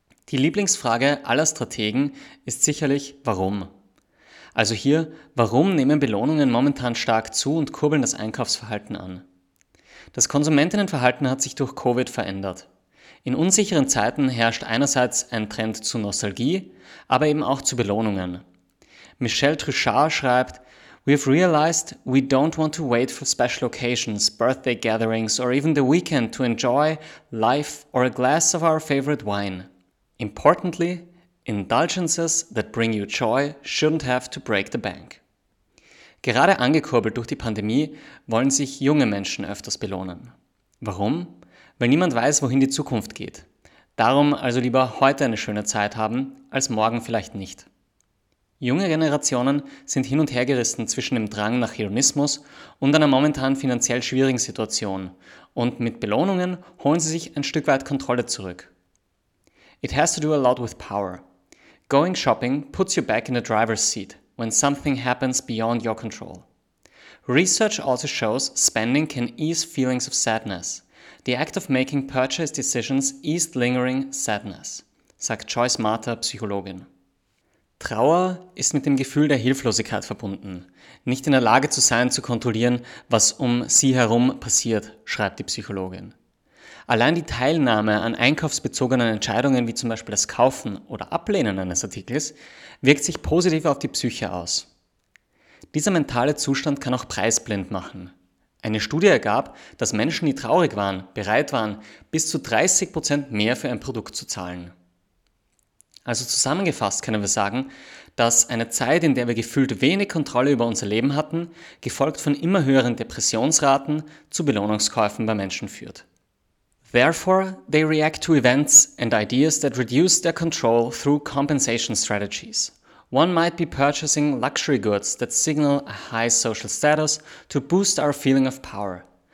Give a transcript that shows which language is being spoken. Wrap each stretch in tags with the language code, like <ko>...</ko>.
<de>Die Lieblingsfrage aller Strategen ist sicherlich, warum? Also hier, warum nehmen Belohnungen momentan stark zu und kurbeln das Einkaufsverhalten an? Das Konsumentinnenverhalten hat sich durch Covid verändert. In unsicheren Zeiten herrscht einerseits ein Trend zu Nostalgie, aber eben auch zu Belohnungen.</de> <en>Michelle Truchard schreibt, "We have realized we don't want to wait for special occasions, birthday gatherings or even the weekend to enjoy life or a glass of our favorite wine. Importantly, indulgences that bring you joy shouldn't have to break the bank."</en> <de>Gerade angekurbelt durch die Pandemie wollen sich junge Menschen öfters belohnen. Warum? Weil niemand weiß, wohin die Zukunft geht. Darum also lieber heute eine schöne Zeit haben, als morgen vielleicht nicht. Junge Generationen sind hin und her gerissen zwischen dem Drang nach Hedonismus und einer momentan finanziell schwierigen Situation. Und mit Belohnungen holen sie sich ein Stück weit Kontrolle zurück.</de> <en>It has to do a lot with power. Going shopping puts you back in the driver's seat when something happens beyond your control. Research also shows spending can ease feelings of sadness. The act of making purchase decisions eased lingering sadness,</en> <de>sagt Joyce Marta, Psychologin. Trauer ist mit dem Gefühl der Hilflosigkeit verbunden, nicht in der Lage zu sein, zu kontrollieren, was um sie herum passiert, schreibt die Psychologin. Allein die Teilnahme an einkaufsbezogenen Entscheidungen wie zum Beispiel das Kaufen oder Ablehnen eines Artikels wirkt sich positiv auf die Psyche aus. Dieser mentale Zustand kann auch preisblind machen. Eine Studie ergab, dass Menschen, die traurig waren, bereit waren, bis zu 30% mehr für ein Produkt zu zahlen. Also zusammengefasst können wir sagen, dass eine Zeit, in der wir gefühlt wenig Kontrolle über unser Leben hatten, gefolgt von immer höheren Depressionsraten zu Belohnungskäufen bei Menschen führt.</de> <en>Therefore, they react to events and ideas that reduce their control through compensation strategies. One might be purchasing luxury goods that signal a high social status to boost our feeling of power.</en>